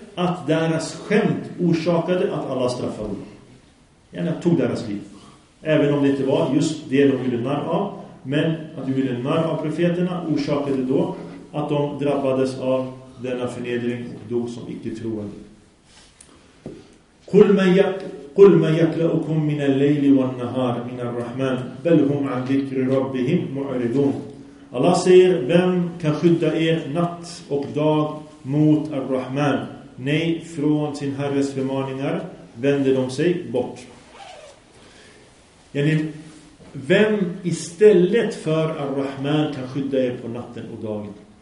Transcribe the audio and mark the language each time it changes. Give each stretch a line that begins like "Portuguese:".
Swedish: att deras skämt orsakade att alla straffade dem. Gärna tog deras liv. Även om det inte var just det de gjorde narr av. Men att de gjorde narr av profeterna orsakade då att de drabbades av denna förnedring och dog som icke-troende.
Arabic: قل ما يقلأكم من الليل والنهار من الرحمن بل هم عن ذكر ربهم معرضون.
Swedish: Allah säger, vem kan skydda er natt och dag mot ar-Rahman? Nej, från sin herres förmaningar vänder de sig bort. Yani, vem istället för ar-Rahman kan skydda er på natten och dagen?